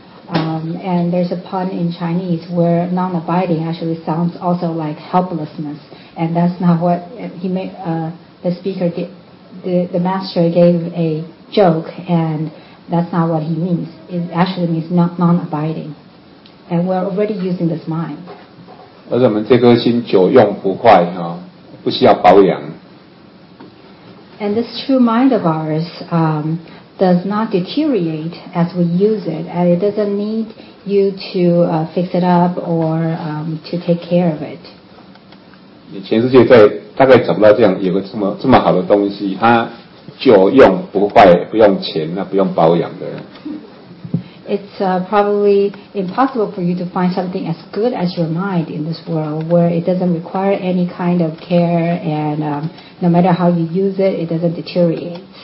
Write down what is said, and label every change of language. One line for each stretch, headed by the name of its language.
English: And there's a pun in Chinese where non-abiding actually sounds also like helplessness. And that's not what he made, the speaker did. The master gave a joke, and that's not what he means. It actually means non-abiding. And we're already using this mind.
Chinese: 而且我们这颗心久用不坏，不需要保养。
English: And this true mind of ours does not deteriorate as we use it, and it doesn't need you to fix it up or to take care of it.
Chinese: 你全世界在大概找不到这样有个这么好的东西，它久用不坏，不用钱，那不用保养的。
English: It's probably impossible for you to find something as good as your mind in this world, where it doesn't require any kind of care, and no matter how you use it, it doesn't deteriorate.